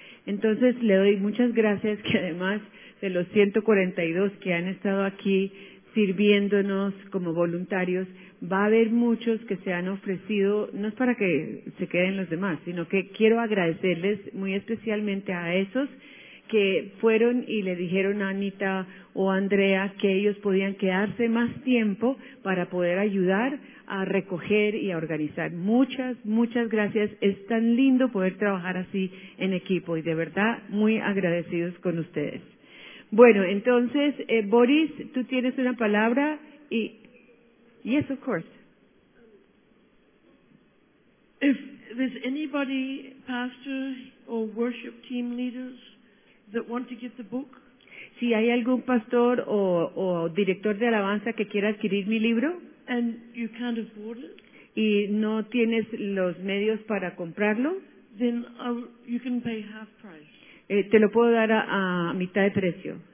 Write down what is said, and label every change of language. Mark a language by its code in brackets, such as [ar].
[es] Entonces, le doy muchas gracias que además de los 142 que han estado aquí sirviéndonos como voluntarios, va a haber muchos que se han ofrecido, no es para que se queden los demás, sino que quiero agradecerles muy especialmente a esos que fueron y le dijeron a Anita o a Andrea que ellos podían quedarse más tiempo para poder ayudar a recoger y a organizar. Muchas, muchas gracias. Es tan lindo poder trabajar así en equipo y de verdad muy agradecidos con ustedes. Bueno, entonces, Boris, tú tienes una palabra y... [en] Yes, of course. If there's anybody, pastor or worship team leaders, that want to get the book? [es] Si hay algún pastor o director de alabanza que quiera adquirir mi libro. [en] And you can't afford it? [es] Y no tienes los medios para comprarlo. [en] Then you can pay half price. [es] Te lo puedo dar a mitad de precio.